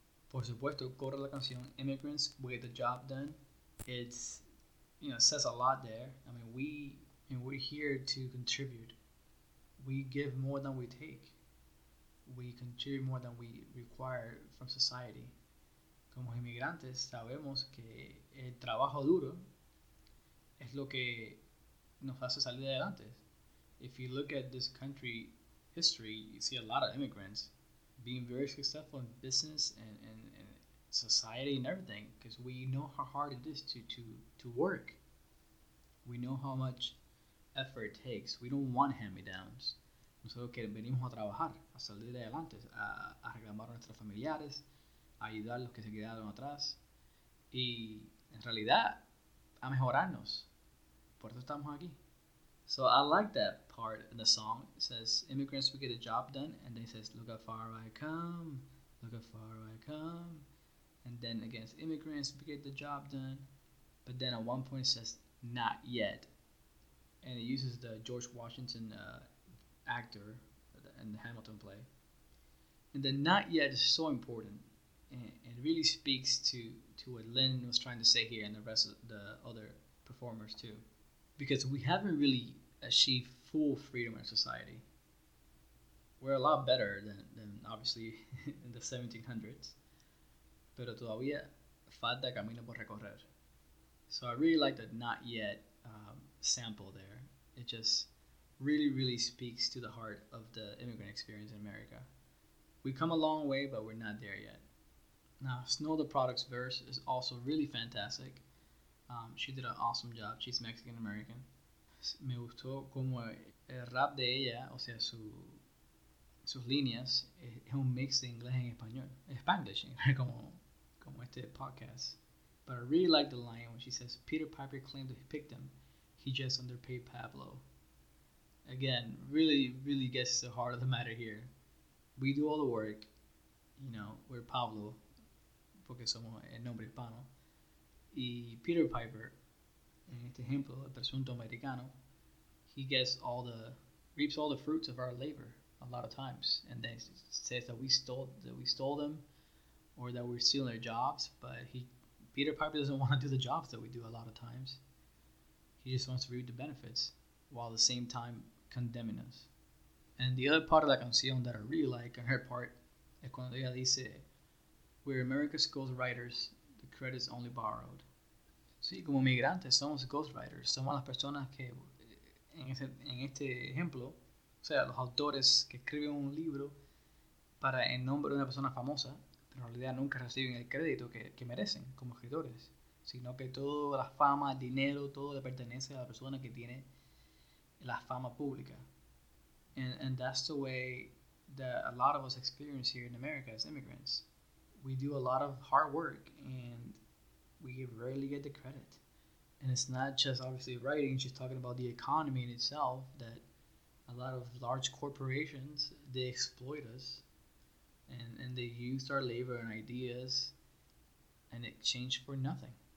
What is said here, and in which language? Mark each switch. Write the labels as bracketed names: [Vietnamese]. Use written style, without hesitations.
[Spanish] Por supuesto, corre la canción Immigrants, We Get the Job Done. [English] It's, you know, it says a lot there. I mean, we're here to contribute. We give more than we take. we contribute more than we require from society. [Spanish] Como inmigrantes sabemos que el trabajo duro es lo que nos hace salir adelante. [English] If you look at this country history, you see a lot of immigrants being very successful in business and society and everything, because we know how hard it is to work. We know how much effort it takes. We don't want hand-me-downs. [Spanish] Nosotros que venimos a trabajar, a salir adelante, a reclamar a nuestros familiares, a ayudar a los que se quedaron atrás y, en realidad, a mejorarnos. Por eso estamos aquí. [English] So I like that part in the song. It says, immigrants, we get a job done. And then it says, look how far I come, look how far I come. And then again, it's immigrants, we get the job done. But then at one point it says, not yet. And it uses the George Washington actor in the Hamilton play. And then not yet is so important. It really speaks to what Lynn was trying to say here and the rest of the other performers too. Because we haven't really achieved full freedom in society. We're a lot better than obviously in the 1700s. [Spanish] Pero todavía falta camino por recorrer. [English] So I really like the not yet sample there. It just really, really speaks to the heart of the immigrant experience in America. We come a long way, but we're not there yet. Now, Snow the Product's verse is also really fantastic. She did an awesome job. She's Mexican-American. [Spanish] Me gustó como el rap de ella, o sea, sus líneas, es un mix de inglés en español. Spanglish, como este podcast. [English] But I really like the line when she says, Peter Piper claimed that he picked him. He just underpaid Pablo. Again, really, really gets to the heart of the matter here. We do all the work, you know, we're Pablo, [Spanish] porque somos el nombre hispano. [English] Y Peter Piper, [Spanish] en este ejemplo, el presunto americano, [English] he gets reaps all the fruits of our labor a lot of times. And then says that we stole them or that we're stealing their jobs. But Peter Piper doesn't want to do the jobs that we do a lot of times. He just wants to reap the benefits while at the same time condemning us. And the other part of [Spanish] la canción [English] that I really like on her part is [Spanish] cuando ella dice, [English] we're America's ghostwriters, the credit's only borrowed. [Spanish] Sí, como migrantes, somos ghostwriters. Somos las personas que, en este ejemplo, o sea, los autores que escriben un libro para en nombre de una persona famosa, pero en realidad nunca reciben el crédito que merecen como escritores, sino que toda la fama, el dinero, todo le pertenece a la persona que tiene la fama pública. [English] And that's the way that a lot of us experience here in America as immigrants. We do a lot of hard work and we rarely get the credit. And it's not just obviously writing, she's talking about the economy in itself, that a lot of large corporations, they exploit us and they use our labor and ideas and it changed for nothing.